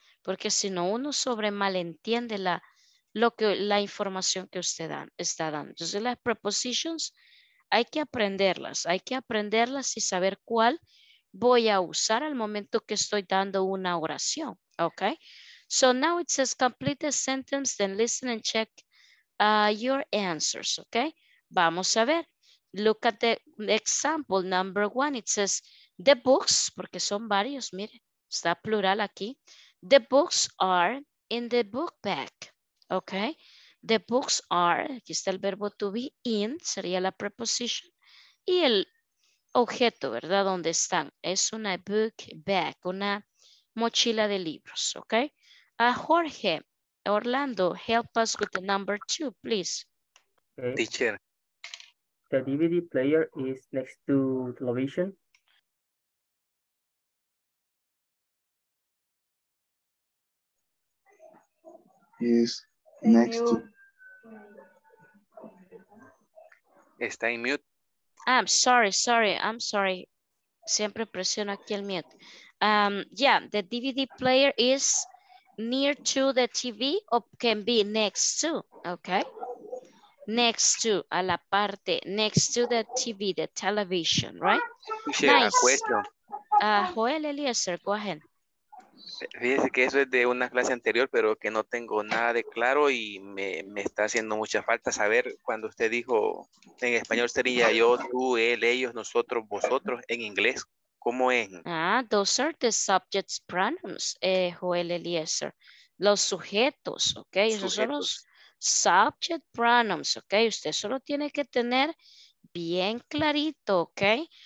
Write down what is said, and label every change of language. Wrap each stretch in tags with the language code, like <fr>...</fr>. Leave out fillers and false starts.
<es>Porque si no, uno sobre malentiende la información que usted está dando. Entonces, las prepositions hay que aprenderlas. Hay que aprenderlas y saber cuál voy a usar al momento que estoy dando una oración. ¿Ok?</es> <en>So now it says complete the sentence, then listen and check your answers. ¿Ok?</en> <es>Vamos a ver.</es> <en>Look at the example number one. It says the books,</en> <es>porque son varios, mire, está plural aquí.</es> <en>The books are in the book bag, ok. The books are,</en> <es>aquí está el verbo to be, in, sería la preposición, y el objeto, ¿verdad? ¿Dónde están? Es una book bag, una mochila de libros, ok.</es> <en>Jorge, Orlando, help us with the number two, please. Teacher. The DVD player is next to television.</en> <es>Está en mute.</es> <en>I'm sorry.</en> <es>Siempre presiono aquí el mute.</es> <en>The DVD player is near to the TV o can be next to, okay? Next to,</en> <es>a la parte,</es> <en>next to the TV, the television, right? Sí, nice. A question. Joel Eliezer, go ahead.</en> <es>Fíjese que eso es de una clase anterior, pero que no tengo nada de claro y me está haciendo mucha falta saber cuando usted dijo, en español sería yo, tú, él, ellos, nosotros, vosotros, en inglés, ¿cómo es?</es> <en>Ah, those are the subject pronouns, Joel Eliezer.</en> <es>Los sujetos, ¿ok? Esos son los subject pronouns, ¿ok? Usted solo tiene que tener bien clarito, ¿ok?</es>